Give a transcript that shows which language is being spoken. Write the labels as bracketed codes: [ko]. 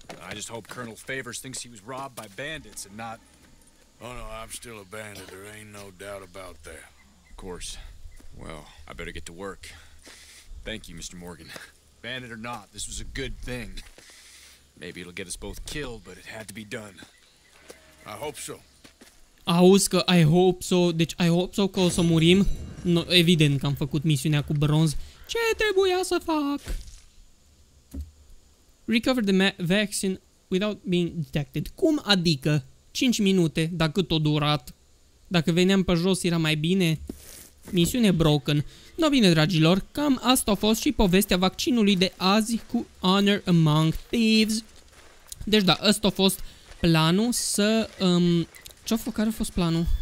[en] I just hope Colonel Favors thinks he was robbed by bandits and not... Oh, no, I'm still a bandit. There ain't no doubt about that. Of course. Well, I better get to work. Thank you, Mr. Morgan. Bandit or not, this was a good thing. Maybe it'll get us both killed, but it had to be done. I hope so. [ro] Auzi că [en] I hope so, [ro] deci I hope so că o să murim. No, evident că am făcut misiunea cu bronz. Ce trebuia să fac? [en] Recover the vaccine without being detected. [ro] Cum adică? 5 minute, dacă tot durat. Dacă veneam pe jos era mai bine. Misiune broken. No, bine, dragilor, cam asta a fost și povestea vaccinului de azi cu Honor Among Thieves. Deci da, ăsta a fost planul să... care a fost planul?